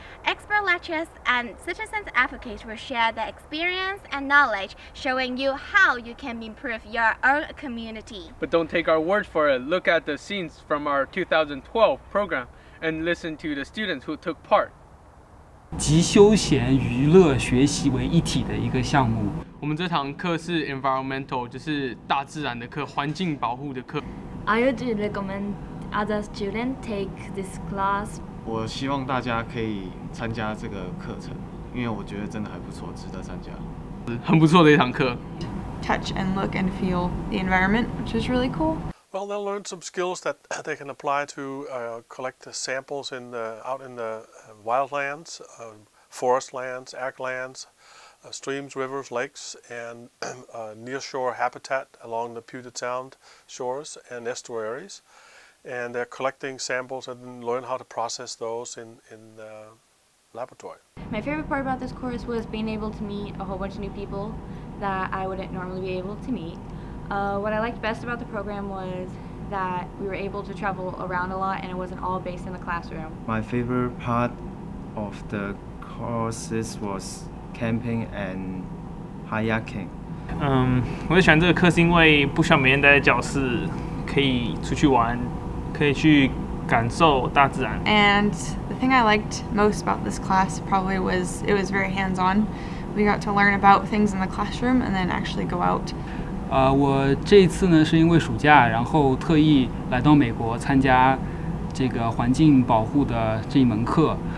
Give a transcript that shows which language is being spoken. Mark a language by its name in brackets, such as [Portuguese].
[English] Expert lecturers and citizens advocates will share their experience and knowledge, showing you how you can improve your own community. But don't take our word for it. Look at the scenes from our 2012 program. And listen to the students who took part. [Chinese] 集休闲、娱乐、学习为一体的一个项目。我们这堂课是 environmental， 就是大自然的课，环境保护的课。 [English] I would recommend other students take this class. [Chinese] 我希望大家可以参加这个课程，因为我觉得真的还不错，值得参加。很不错的一堂课。 [English] Touch and look and feel the environment, which is really cool. Well, they'll learn some skills that they can apply to collect the samples in the, out in the wildlands, forest lands, ag lands, streams, rivers, lakes, and nearshore habitat along the Puget Sound shores and estuaries. And they're collecting samples and learn how to process those in the laboratory. My favorite part about this course was being able to meet a whole bunch of new people that I wouldn't normally be able to meet. What I liked best about the program was that we were able to travel around a lot and it wasn't all based in the classroom. My favorite part of the courses was camping and kayaking. [Chinese] 我就喜欢这个课是因为不需要每天待在教室，可以出去玩，可以去感受大自然。 [English] And the thing I liked most about this class probably was it was very hands-on. We got to learn about things in the classroom and then actually go out. [Chinese] 我这次呢是因为暑假，然后特意来到美国参加这个环境保护的这一门课。